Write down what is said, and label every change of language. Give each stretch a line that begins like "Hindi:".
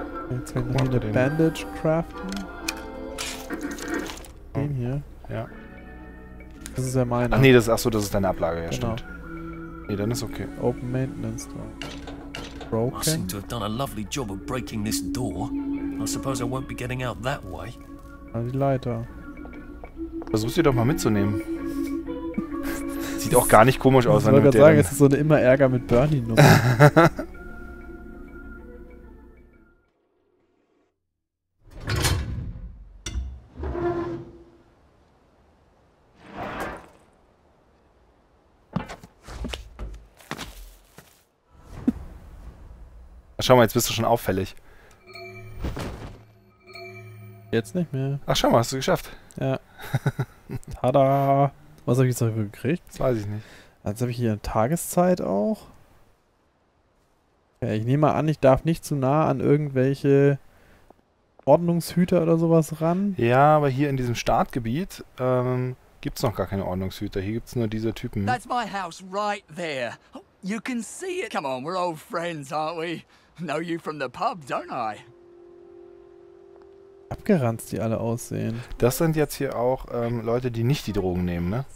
German: Jetzt werden wir hier eine Bandage craften. Den hier. Ja. Das ist ja meine. Ach nee, das ist deine Ablage, ja, genau. Stimmt. Nee, dann ist okay.
English: Open Maintenance Door. Broken. I seem to have done a lovely job of breaking this door. I suppose I won't be getting out that way.
German: Ah, die Leiter. Versuch sie doch mal mitzunehmen. Sieht auch gar nicht komisch aus. Ich wollte gerade sagen, es ist so eine immer Ärger mit Bernie-Nummer. Schau mal, jetzt bist du schon auffällig. Jetzt nicht mehr. Ach, schau mal, hast du geschafft. Ja. Tada! Was habe ich jetzt dafür gekriegt? Das weiß ich nicht. Jetzt habe ich hier eine Tageszeit auch. Ja, ich nehme mal an, ich darf nicht zu nah an irgendwelche Ordnungshüter oder sowas ran. Ja, aber hier in diesem Startgebiet gibt es noch gar keine Ordnungshüter. Hier gibt es nur diese Typen. Das ist mein Haus,
English: right there. You can see it. Come on, we're old friends, aren't we? Know you from the pub, don't I?
German: Abgeranzt, die alle aussehen. Das sind jetzt hier auch Leute, die nicht die Drogen nehmen, ne?